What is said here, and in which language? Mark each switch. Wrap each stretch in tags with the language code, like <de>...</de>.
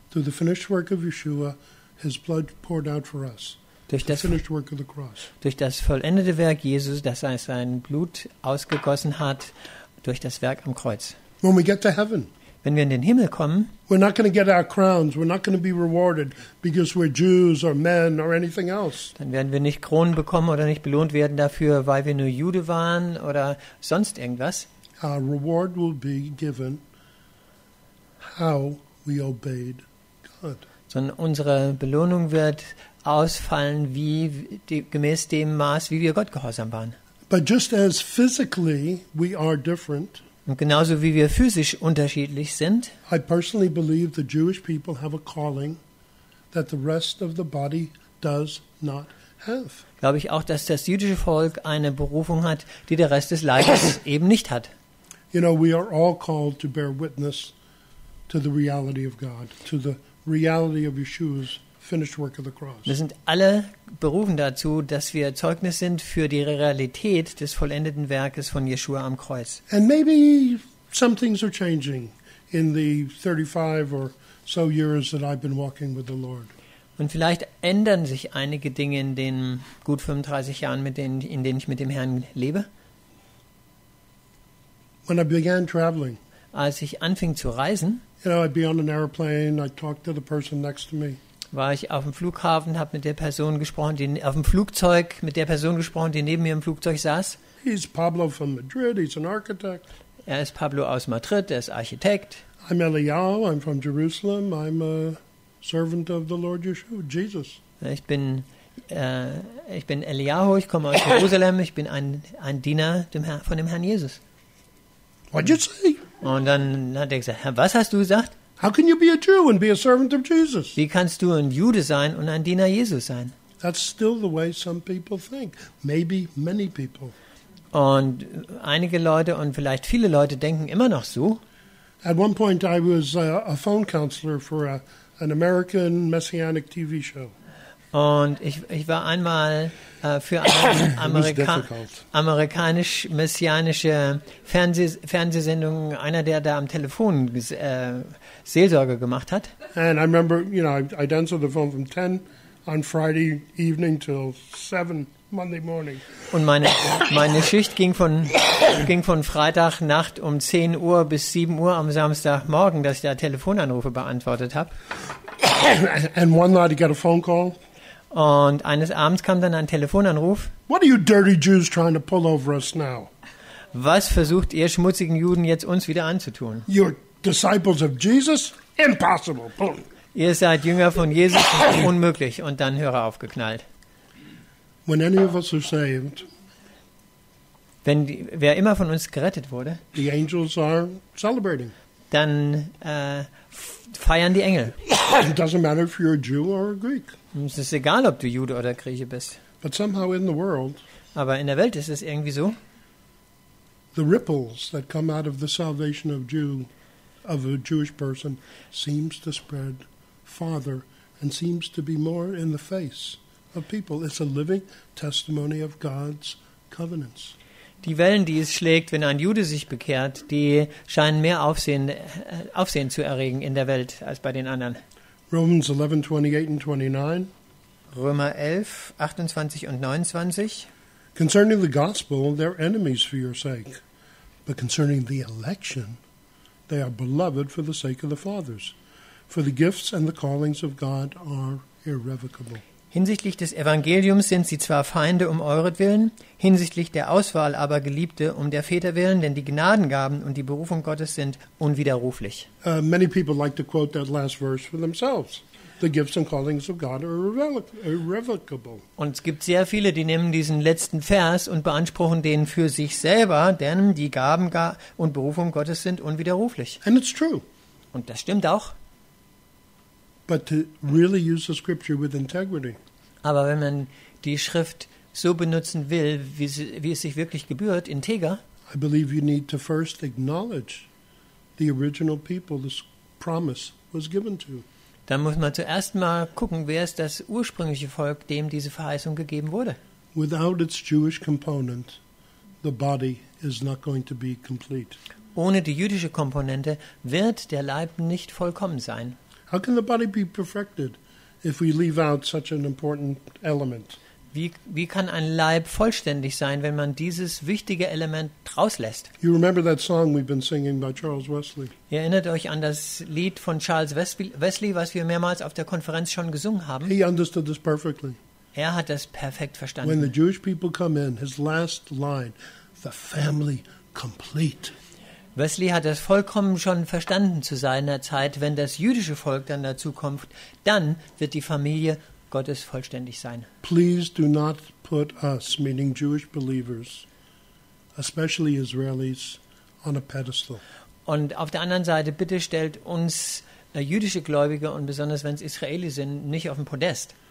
<de>Durch das vollendete Werk Jesus, das er sein Blut ausgegossen hat, durch das Werk am Kreuz.</de> <en>When we get to heaven,</en> <de>wenn wir in den Himmel kommen,</de> <en>we're not going to get our crowns, we're not going to be rewarded because we're Jews or men or anything else.</en> <de>Dann werden wir nicht Kronen bekommen oder nicht belohnt werden dafür, weil wir nur Jude waren oder sonst irgendwas.</de> <en>Our reward will be given how we obeyed God.</en> <de>Sondern unsere Belohnung wird ausfallen, wie gemäß dem Maß, wie wir Gott gehorsam waren.</de> <en>But just as physically we are different,</en> <de>und genauso wie wir physisch unterschiedlich sind,</de> <en>I personally believe the Jewish people have a calling that the rest of the body does not have.</en> <de>Glaube ich auch, dass das jüdische Volk eine Berufung hat, die der Rest des Leibes eben nicht hat.</de> <en>You know, we are all called to bear witness to the reality of God, to the reality of Yeshua's finished work of the cross.</en> <de>Wir sind alle berufen dazu, dass wir Zeugnis sind für die Realität des vollendeten Werkes von Yeshua am Kreuz.</de> <en>And maybe some things are changing in the 35 or so years that I've been walking with the Lord.</en> <de>Und vielleicht ändern sich einige Dinge in den gut 35 Jahren, in denen ich mit dem Herrn lebe.</de> <en>When I began traveling,</en> <de>als ich anfing zu reisen,</de> <en>you know, I'd be on an airplane, I'd talk to the person next to me.</en> <de>War ich auf dem Flughafen, habe mit der Person gesprochen, die neben mir im Flugzeug saß.</de> <en>He's Pablo from Madrid, he's an architect.</en> <de>Er ist Pablo aus Madrid, er ist Architekt.</de> <en>I'm Eliyahu, I'm from Jerusalem, I'm a servant of the Lord Yeshua, Jesus.</en> <de>Ich bin Eliyahu, ich komme aus Jerusalem, ich bin ein Diener von dem Herrn Jesus.</de> <en>What'd you say?</en> <de>Und dann hat er gesagt, was hast du gesagt?</de> <en>How can you be a Jew and be a servant of Jesus?</en> <de>Wie kannst du ein Jude sein und ein Diener Jesu sein?</de> <en>That's still the way some people think. Maybe many people.</en> <de>Und einige Leute und vielleicht viele Leute denken immer noch so.</de> <en>At one point I was a phone counselor for an American messianic TV show.</en> <de>Und ich war einmal für eine amerikanisch-messianische Fernsehsendung einer, der da am Telefon Seelsorge gemacht hat.</de> <en>And I remember, you know, I'd answer the phone from 10 on Friday evening till 7 Monday morning.</en> <de>Und meine Schicht ging von Freitag Nacht um 10 Uhr bis 7 Uhr am Samstagmorgen, dass ich da Telefonanrufe beantwortet habe.</de> <en>And one night I got a phone call.</en> <de>Und eines Abends kam dann ein Telefonanruf.</de> <en>What are you dirty Jews trying to pull over us now?</en> <de>Was versucht ihr schmutzigen Juden jetzt uns wieder anzutun?</de> <en>You're disciples of Jesus? Impossible. Boom.</en> <de>Ihr seid Jünger von Jesus, das ist unmöglich. Und dann höre aufgeknallt.</de> <en>When any of us are saved,</en> <de>wer immer von uns gerettet wurde,</de> <en>the angels are celebrating.</en> <de>Dann feiern die Engel.</de> <en>It doesn't matter if you're a Jew or a Greek.</en> <de>Es ist egal, ob du Jude oder Grieche bist.</de> <en>But somehow in the world,</en> <de>aber in der Welt ist es irgendwie so.</de> <en>The ripples that come out of the salvation of a Jewish person seems to spread farther and seems to be more in the face of people. It's a living testimony of God's covenants.</en> <de>Die Wellen, die es schlägt, wenn ein Jude sich bekehrt, die scheinen mehr Aufsehen zu erregen in der Welt als bei den anderen.</de> <en>Romans 11, 28 and 29.</en> <de>Römer 11, 28 und 29.</de> <en>Concerning the gospel, they're enemies for your sake. But concerning the election, they are beloved for the sake of the fathers. For the gifts and the callings of God are irrevocable.</en> <de>Hinsichtlich des Evangeliums sind sie zwar Feinde um euretwillen, hinsichtlich der Auswahl aber Geliebte um der Väter willen, denn die Gnadengaben und die Berufung Gottes sind unwiderruflich.</de> <en>Many people like to quote that last verse for themselves. The gifts and callings of God are irrevocable.</en> <de>Und es gibt sehr viele, die nehmen diesen letzten Vers und beanspruchen den für sich selber, denn die Gaben und Berufung Gottes sind unwiderruflich.</de> <en>And it's true.</en> <de>Und das stimmt auch.</de> <en>But to really use the scripture with integrity.</en> <de>Aber wenn man die Schrift so benutzen will, wie es sich wirklich gebührt, integer.</de> <en>I believe you need to first acknowledge the original people this promise was given to.</en> <de>Dann muss man zuerst mal gucken, wer ist das ursprüngliche Volk, dem diese Verheißung gegeben wurde.</de> <en>Without its Jewish component, the body is not going to be complete.</en> <de>Ohne die jüdische Komponente wird der Leib nicht vollkommen sein.</de> <en>How can the body be perfected if we leave out such an important element?</en> <de>Wie kann ein Leib vollständig sein, wenn man dieses wichtige Element rauslässt?</de> <en>You remember that song we've been singing by Charles Wesley?</en> <de>Ihr erinnert euch an das Lied von Charles Wesley, was wir mehrmals auf der Konferenz schon gesungen haben?</de> <en>He understood this perfectly.</en> <de>Er hat das perfekt verstanden.</de> <en>When the Jewish people come in, his last line, the family complete.</en> <de>Wesley hat das vollkommen schon verstanden zu seiner Zeit, wenn das jüdische Volk dann dazu kommt, dann wird die Familie Gottes vollständig sein.</de> <en>Please do not put us, meaning Jewish believers, especially Israelis, on a pedestal.</en> <de>Und auf der anderen Seite, bitte stellt uns jüdische Gläubige und besonders wenn es Israelis sind, nicht auf dem Podest.</de>